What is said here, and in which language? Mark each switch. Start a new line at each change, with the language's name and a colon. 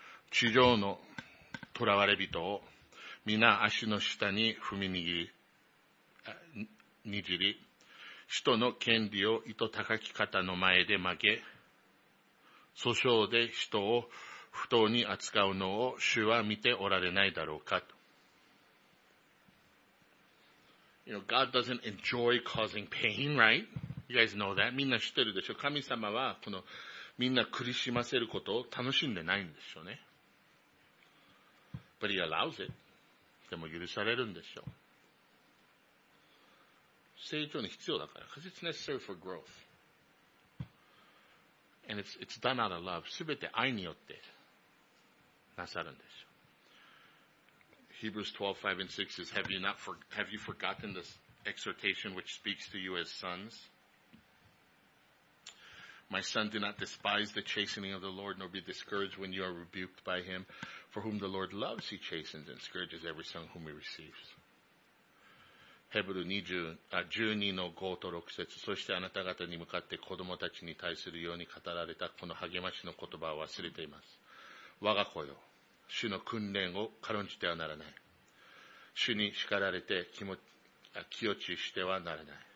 Japanese: 地上の囚われ人を皆足の下に踏みにぎり、にじり、使徒の権利を糸高き方の前で曲げ、訴訟で使徒を不当に扱うのを主は見ておられないだろうかと。
English: You know, God doesn't enjoy causing pain, right? You guys know that.
Japanese: みんな知ってるでしょ。神様はこのみんな苦しませることを楽しんでないんでしょうね。 But he allows it. でも許されるんでしょう。成長に必要だから。
English: Because it's necessary for growth. And it's done out of love.
Japanese: すべて愛によってなさるんでしょう。
English: Hebrews 12, 5 and 6 says, have you forgotten this exhortation which speaks to you as sons? My son, do not despise the chastening of the Lord, nor be discouraged when you are rebuked by him. For whom the Lord loves, he chastens and scourges every son whom he receives.
Japanese: ヘブル12の5と6節、そしてあなた方に向かって子供たちに対するように語られたこの励ましの言葉を忘れています。我が子よ、主の訓練を軽んじてはならない。主に叱られて気落ちしてはならない。